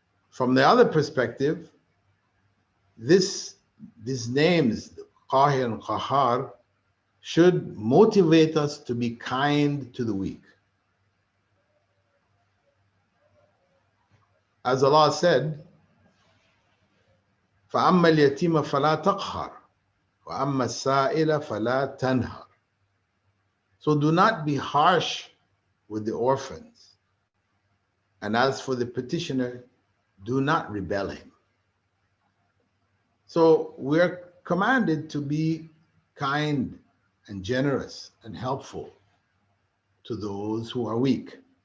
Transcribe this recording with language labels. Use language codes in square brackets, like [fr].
[en] From the other perspective, these names, Qahir and Qahar, should motivate us to be kind to the weak. As Allah said, [ar] فَأَمَّا الْيَتِيمَ فَلَا تَقْهَرْ وَأَمَّا السَّائِلَ فَلَا تَنْهَرْ. [en] So do not be harsh with the orphans. And as for the petitioner, do not rebel him. So we are commanded to be kind and generous and helpful to those who are weak.